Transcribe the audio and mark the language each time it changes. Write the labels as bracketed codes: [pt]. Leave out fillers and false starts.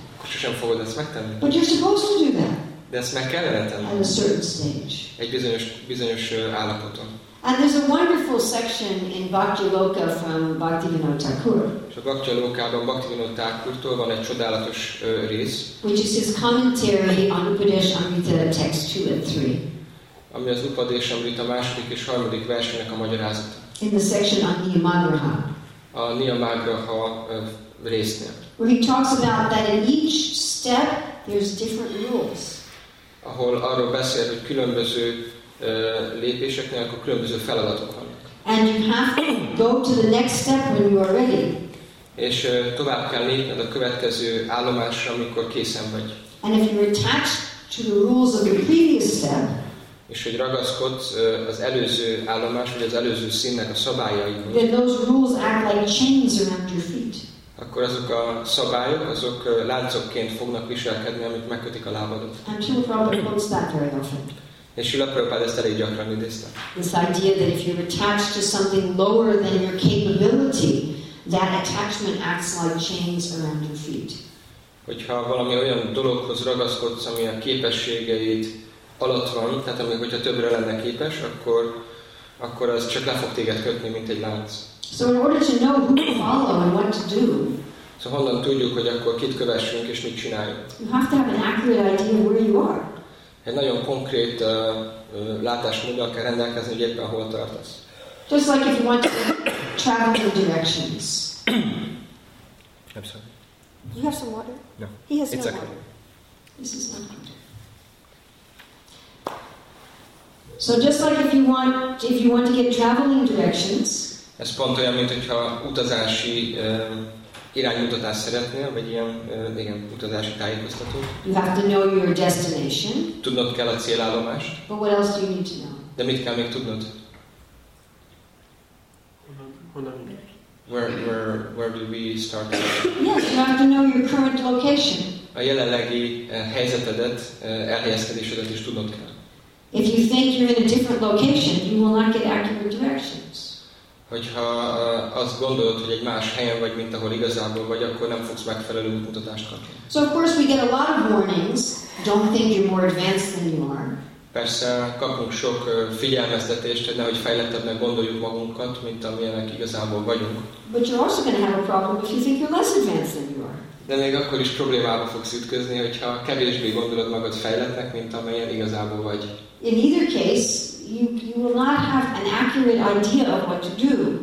[hu] Akkor sosem fogod ezt megtenni. [en] But you're supposed to do that. [hu] De ezt meg kellene tenni. [en] At a certain stage. [hu] Egy bizonyos állapoton. [en] And there's a wonderful section in Bhaktiloka from Bhaktivinoda Thakur. [hu] És a Bhaktilokában Bhaktivinoda Thakurtól van egy csodálatos rész. [en] Which is his commentary on Upadeshamrita text 2 and 3. [hu] Ami az Upadeshamrita második és harmadik versének a magyarázata. [en] In the section on Niyamagraha. [hu] A Niyamagraha résznél. [en] Where he talks about that in each step there's different rules. [hu] Ahol arról beszél, hogy különböző lépéseknél akkor különböző feladatok vannak. [en] And you have to go to the next step when you are ready. [hu] És tovább kell lépned a következő állomásra, amikor készen vagy. [en] And if you're attached to the rules of the previous step, [hu] és hogy ragaszkodsz az előző állomás, vagy az előző színnek a szabályaihoz, [en] then those rules act like chains around your feet. [hu] Akkor azok a szabályok, azok láncokként fognak viselkedni, amik megkötik a lábadot. [en] And Srila Prabhupada quotes that very often. [hu] És Srila Prabhupada ezt elég gyakran idézte. [en] This idea that if you're attached to something lower than your capability, that attachment acts like chains around your feet. [hu] Hogyha valami olyan dologhoz ragaszkodsz, ami a képességeid alatt van, tehát amíg hogyha többre lenne képes, akkor az csak le fog téged kötni, mint egy lánc. [en] So in order to know who to follow and what to do, [hu] szóval honnan tudjuk, hogy akkor kit kövessünk és mit csináljunk? [en] You have to have an accurate idea of where you are. [hu] Egy nagyon konkrét látásmóddal kell rendelkezni, hogy éppen hol tartasz. [en] Just like if you want to travel the directions. I'm sorry. You have some water? No. He has it's no okay. Water. This is not good. So just like if you want to get traveling directions. [hu] Ez pont olyan, mint hogyha utazási iránymutatást szeretnél, vagy ilyen igen, utazási tájékoztató. [en] You have to know your destination. [hu] Tudnod kell a célállomást. [en] But what else do you need to know? De mit kell még tudnod? Where do we start? Yes, you have to know your current location. [hu] A jelenlegi helyzetedet, elhelyezkedésedet is tudnod kell. [en] If you think you're in a different location, you will not get accurate directions. [hu] Hogyha azt gondolod, hogy egy más helyen vagy, mint ahol igazából vagy, akkor nem fogsz megfelelő útmutatást kapni. [en] So of course we get a lot of warnings. Don't think you're more advanced than you are. [hu] Persze kapunk sok figyelmeztetést, hogy nehogy fejlettebbnek gondoljuk magunkat, mint amilyenek igazából vagyunk. [en] But you're also going to have a problem if you think you're less advanced than you are. [hu] De még akkor is problémába fogsz ütközni, hogyha kevésbé gondolod magad fejlettnek, mint amilyen igazából vagy. [en] In either case, you will not have an accurate idea of what to do.